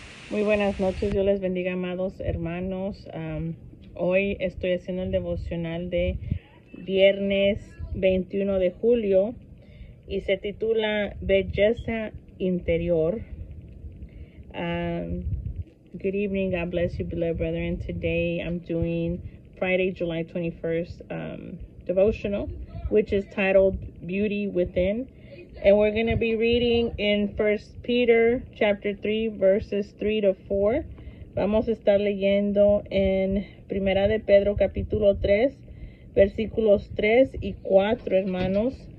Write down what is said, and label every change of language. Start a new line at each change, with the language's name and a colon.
Spanish: Muy buenas noches, Dios les bendiga, amados hermanos. Hoy estoy haciendo el devocional de viernes 21 de julio y se titula Belleza Interior.
English: Good evening, God bless you, beloved brethren. Today I'm doing Friday, July 21st devotional, which is titled Beauty Within. And we're going to be reading in 1 Peter chapter 3, verses 3 to 4.
Spanish: Vamos a estar leyendo en Primera de Pedro capítulo 3, versículos 3 y 4, hermanos.